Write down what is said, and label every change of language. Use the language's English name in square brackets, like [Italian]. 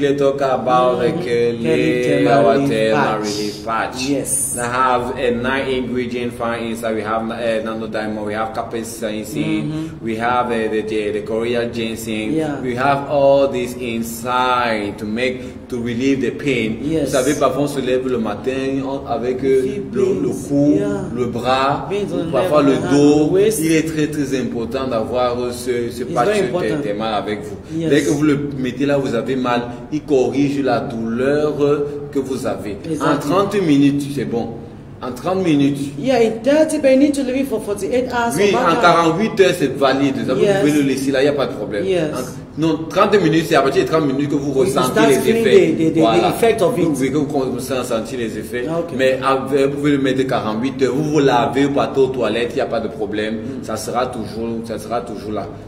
[English] Let's talk about our tema patch. Yes. I have a 9 ingredient fine inside. We have nano diamond. We have capsaicin. Mm-hmm. We have the Korean ginseng. Yeah. We have all this inside to make to relieve the pain. Yes. [French] Vous savez, parfois on se lève le matin avec le cou, le bras, parfois le dos. Il est très très important d'avoir ce patch tema avec vous. [English] Yes. [French] Dès que vous le mettez là, vous avez mal, il corrige la douleur que vous avez. [English] Exactly. [French] En 30 minutes, c'est bon. En 30 minutes. [English] Yeah, in 30, but you need to leave it for 48 hours. [French] Oui, en 48 heures, c'est valide. Vous pouvez le laisser là, il n'y a pas de problème. [English] Yes. [French] Non, 30 minutes, c'est à partir de 30 minutes que vous ressentez les effets. Vous commencez à sentir les effets. [English] Okay. [French] Mais vous pouvez le mettre 48 heures. Vous vous lavez, vous partez aux toilettes, il n'y a pas de problème. Ça sera toujours là.